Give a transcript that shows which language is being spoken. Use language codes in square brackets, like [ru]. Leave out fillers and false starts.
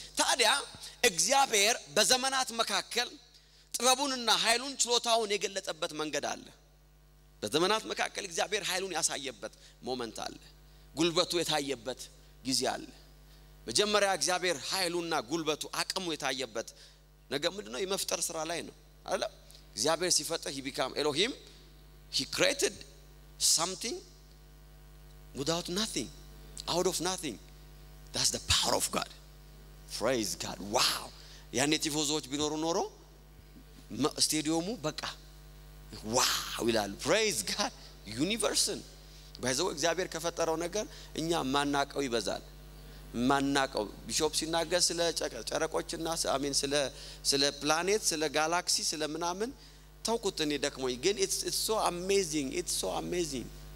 [am] ታዲያ እግዚአብሔር በዘመናት መካከል ጥበቡንና ኃይሉን ችሎታውን የገለጠበት መንገድ አለ። በዘመናት መካከል እግዚአብሔር ኃይሉን ያሳየበት ሞመንት አለ። ጉልበቱ የታየበት ጊዜ አለ። መጀመሪያ እግዚአብሔር ኃይሉና ጉልበቱ አቅሙ የታየበት ነገር ምንድነው? የመፍጠር ስራ ላይ ነው አይደል? እግዚአብሔር ሲፈጠር [en] he became Elohim. He created something without nothing. Out of nothing. That's the power of God. Praise God. Wow. [am] ያኔ ቲፎዞች ቢኖሩ ኖሮ ስቴዲየሙ በቃ wow ይላል። [en] Praise God. [am] ዩኒቨርስን በዛው እግዚአብሔር ከፈጠረው ነገር እኛ ማናቀው ይበዛል። ማናቀው ቢሾፕ ሲናገር ስለ ጨረቆችና አሜን ስለ ፕላኔት ስለ ጋላክሲ ስለ ምናምን ተውኩት እኔ ደክሞኝ። ግን [en] it's so amazing.